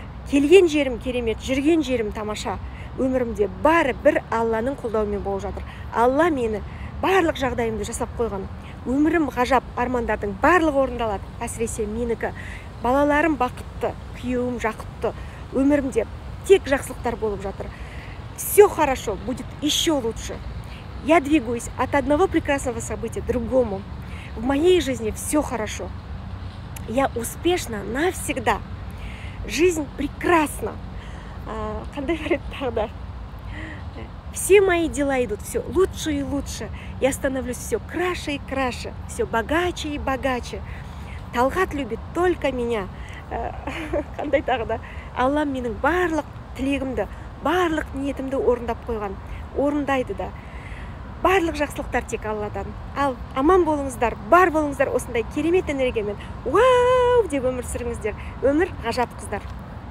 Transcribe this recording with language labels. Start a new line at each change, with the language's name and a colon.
Kazakh: Келген жерім керемет, жүрген жерім тамаша. Өмірімде бары бір Алланың қолдауымен болып жатыр. Алла мені барлық жағдайымды жасап қойған. Өмірім ғажап, армандардың барлығы орындалады. Әсіресе менікі. Балаларым бақытты, күйеуім жақытты. Өмірімде тек жақсылықтар болып жатыр.
Russian: Все хорошо, будет еще лучше. Я двигаюсь от одного прекрасного события к другому. В моей жизни все хорошо. Я успешна навсегда. Жизнь прекрасна.
Kazakh: Қандай бір тағда.
Russian: Все мои дела идут все лучше и лучше. Я становлюсь все краше и краше, все богаче и богаче. Талғат любит только меня.
Kazakh: Қандай тағда. Аллам менің барлық тілегімді, барлық ниетімді орындап қойған. Орындайды да. Барлық жақсылықтар тек Алладан. Ал аман болыңыздар, бар болыңыздар осындай керемет энергиямен. Уау, деп өмір сүріңіздер. Өмір ғажап, қыздар.